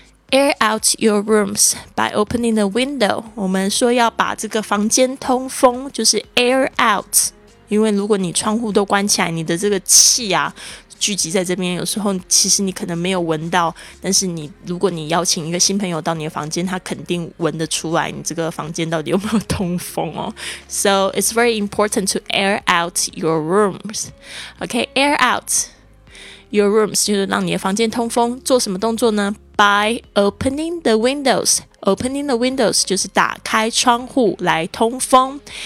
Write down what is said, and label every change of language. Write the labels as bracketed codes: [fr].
[en] Air out your rooms by opening the window. [zh] 我们说要把这个房间通风，就是 air out. 因为如果你窗户都关起来，你的这个气啊聚集在这边，有时候其实你可能没有闻到，但是你如果你邀请一个新朋友到你的房间，他肯定闻得出来你这个房间到底有没有通风哦。 [en] So it's very important to air out your rooms. [zh] Okay, air out your rooms 就是让你的房间通风。做什么动作呢？ By opening the windows, Opening the windows 就是打开窗户来通风。